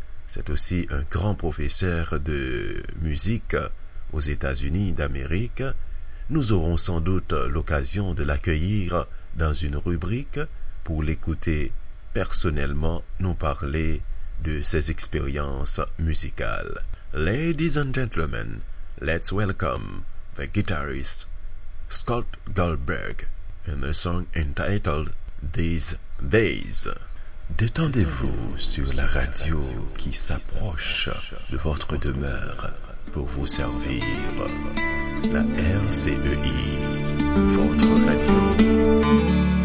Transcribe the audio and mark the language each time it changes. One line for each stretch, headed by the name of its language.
French: C'est aussi un grand professeur de musique aux États-Unis d'Amérique. Nous aurons sans doute l'occasion de l'accueillir dans une rubrique pour l'écouter personnellement nous parler de ses expériences musicales.
English: Ladies and gentlemen, let's welcome the guitarist Scott Goldberg in the song entitled These Days.
French: Détendez-vous sur la radio qui s'approche de votre demeure pour vous servir. La RCEI, votre radio.